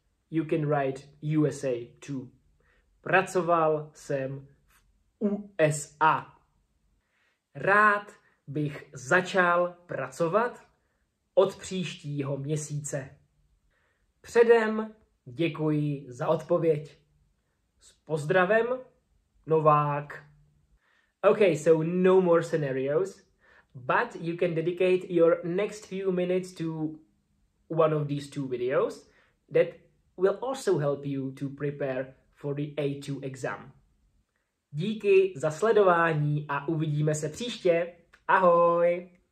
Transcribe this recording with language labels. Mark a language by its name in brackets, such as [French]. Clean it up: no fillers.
[English] You can write USA too. [Czech] Pracoval jsem v USA. Rád bych začal pracovat od příštího měsíce. Předem děkuji za odpověď. S pozdravem, Novák. [English] Okay, so no more scenarios, but you can dedicate your next few minutes to one of these two videos that will also help you to prepare for the A2 exam. [Czech] Díky za sledování a uvidíme se příště. Ahoj!